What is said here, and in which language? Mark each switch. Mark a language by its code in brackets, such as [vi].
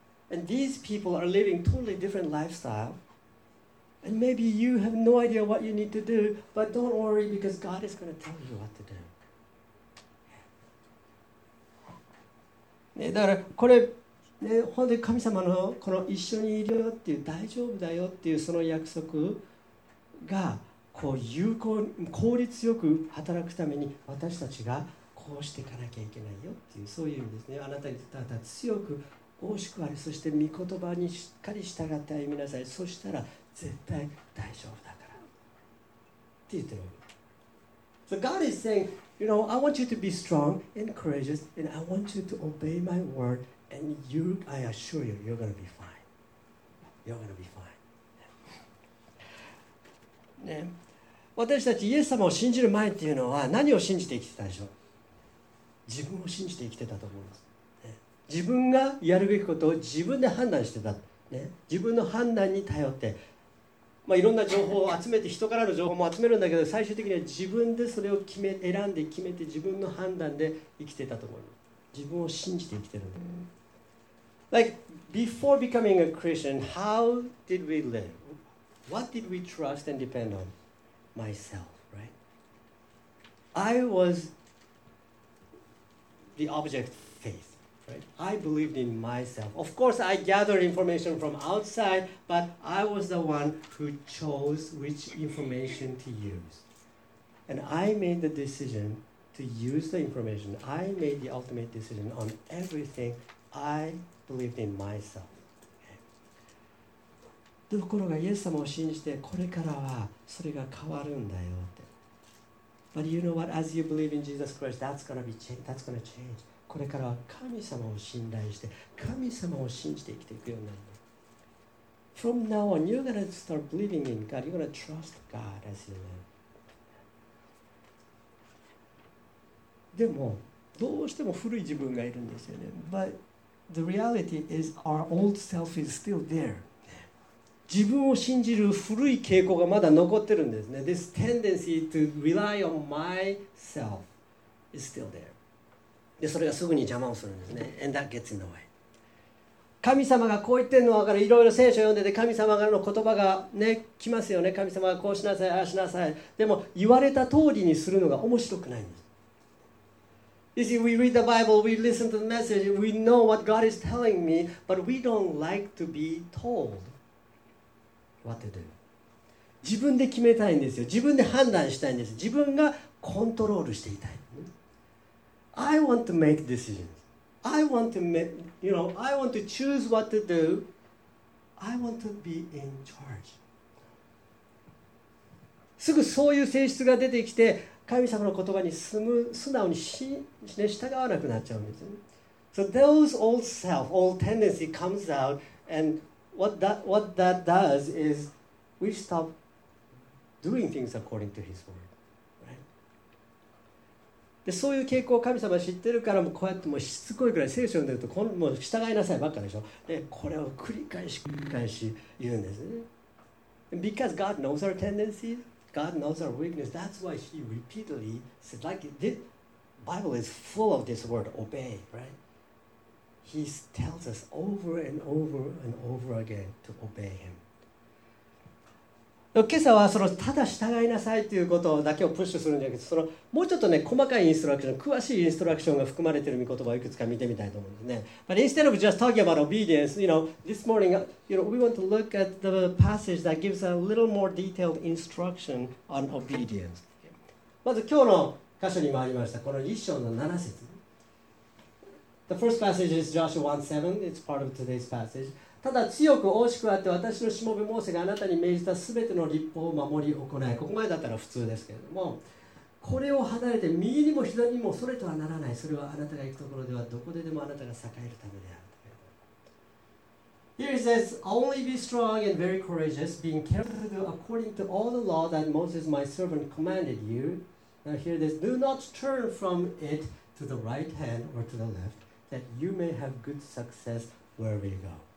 [en] And these people are living totally different lifestyle. And maybe you have no idea what you need to do, but don't worry because God is going to tell you what to do. [ja] ね、だからこれ、ね、本当に神様のこの一緒にいるよっていう、大丈夫だよっていうその約束が、こう有効効率よく働くために私たちがこうしていかなきゃいけないよっていう、そういう意味ですね。あなたにただ強く惜しくあり、そして御言葉にしっかり従って歩みなさい、そしたら絶対大丈夫だからって言ってる。 [en] So God is saying, you know, I want you to be strong and courageous and I want you to obey my word and you, I assure you, you're gonna be fine. You're gonna be fine. [ja] ね、私たちイエス様を信じる前っていうのは何を信じて生きてたでしょう。自分を信じて生きてたと思います、ね、自分がやるべきことを自分で判断してた、ね、自分の判断に頼って、まあ、いろんな情報を集めて人からの情報も集めるんだけど、最終的には自分でそれを決め選んで決めて自分の判断で生きてたと思います。自分を信じて生きてる。 [en] Like before becoming a Christian, how did we liveWhat did we trust and depend on? Myself, right? I was the object of faith, right? I believed in myself. Of course, I gathered information from outside, but I was the one who chose which information to use. And I made the decision to use the information. I made the ultimate decision on everything. I believed in myself. [ja] ところがイエス様を信じてこれからはそれが変わるんだよって。 [en] But you know what? As you believe in Jesus Christ, that's gonna change. [ja] これからは神様を信頼して神様を信じて生きていくようになる。 [en] From now on, you're gonna start believing in God. You're gonna trust God as you live. [ja] でもどうしても古い自分がいるんですよね。 [en] But the reality is our old self is still there. [ja] 自分を信じる古い傾向がまだ残ってるんですね。 [en] This tendency to rely on myself is still there. [ja] で、それがすぐに邪魔をするんですね。 [en] And that gets in the way. [ja] 神様がこう言ってるのわかる。いろいろ聖書読んでて神様からの言葉がね、来ますよね。神様がこうしなさい、ああしなさい。でも言われた通りにするのが面白くないんです。 [en] You see, we read the Bible, we listen to the message, we know what God is telling me, but we don't like to be told. What to do. [ja] 自分で決めたいんですよ。自分で判断したいんです。自分がコントロールしていたい。 [en] I want to make decisions. I want to make, you know, I want to choose what to do. I want to be in charge. [ja] すぐそういう性質が出てきて、神様の言葉に素直に従わなくなっちゃうんです。 [en] So those old self, old tendency comes out andWhat that does is we stop doing things according to His word, right? [ja] で、そういう傾向を神様は知ってるからもこうやってもうしつこいくらい聖書を読んでるとこのもう従いなさいばっかでしょ。で、これを繰り返し言うんですね。 [en] Because God knows our tendencies, God knows our weakness. That's why He repeatedly said, like the Bible is full of this word, obey, right? He tells us over and over and over again to obey him. [ja] 今朝はそのただ従いなさいということだけをプッシュするんじゃなくて、そのもうちょっとね細かいインストラクション、詳しいインストラクションが含まれている御言葉をいくつか見てみたいと思うんですね。 [en] But instead of just talking about obedience, you know, this morning, you know, we want to look at the passage that gives a little more detailed instruction on obedience. [ja] まず今日の箇所に参りました。この1章の7節。 [en] The first passage is Joshua 1:7. It's part of today's passage. [ja] ただ強く惜しくあって私のしもべモーセがあなたに命じたすべての律法を守り行い、ここまでだったら普通ですけれども、これを離れて右にも左にもそれとはならない、それはあなたが行くところではどこででもあなたが栄えるためである。 [en] Here he says, Only be strong and very courageous, being careful to do according to all the law that Moses my servant commanded you. Now hear this, Do not turn from it to the right hand or to the left, that you may have good success wherever you go.